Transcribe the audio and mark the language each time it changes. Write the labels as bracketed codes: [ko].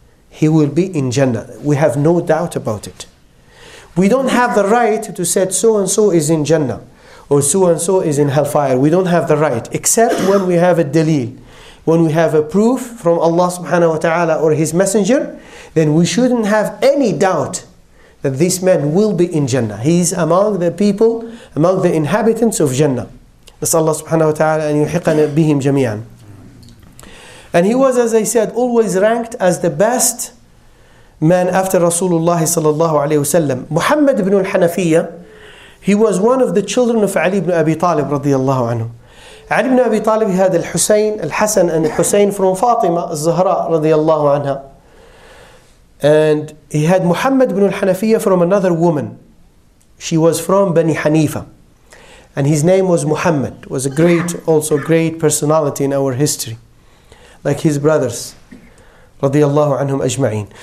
[en] He will be in Jannah. We have no doubt about it. We don't have the right to say so-and-so is in Jannah, or so-and-so is in hellfire. We don't have the right, except when we have a dalil, when we have a proof from Allah subhanahu wa ta'ala or His Messenger, then we shouldn't have any doubt that this man will be in Jannah. He is among the people, among the inhabitants of Jannah. [ar] نسأل الله subhanahu wa ta'ala أن يحقنا بهم جميعا. [en] And he was, as I said, always ranked as the best man after Rasulullah sallallahu alayhi wa sallam. Muhammad ibn al-Hanafiyya, he was one of the children of Ali ibn Abi Talib radiyallahu anhu. [ar] علي بن أبي طالب هذا الحسين الحسن and الحسين from فاطمة الزهراء رضي الله عنها. [en] And he had Muhammad ibn al-Hanafiya from another woman. She was from Bani Hanifa. And his name was Muhammad. Was a great, also great personality in our history. Like his brothers. [ar] رضي الله عنهم أجمعين.